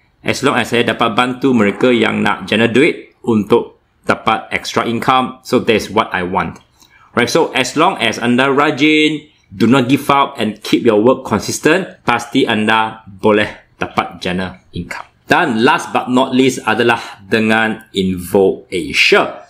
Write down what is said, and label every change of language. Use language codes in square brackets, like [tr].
[en] As long as [ms] saya dapat bantu mereka yang nak jana duit untuk dapat [en] extra income. So, that's what I want. Alright, so as long as [ms] anda rajin, [en] do not give up and keep your work consistent, [ms] pasti anda boleh dapat jana [en] income. [ms] Dan [en] last but not least [ms] adalah dengan InvoAsia.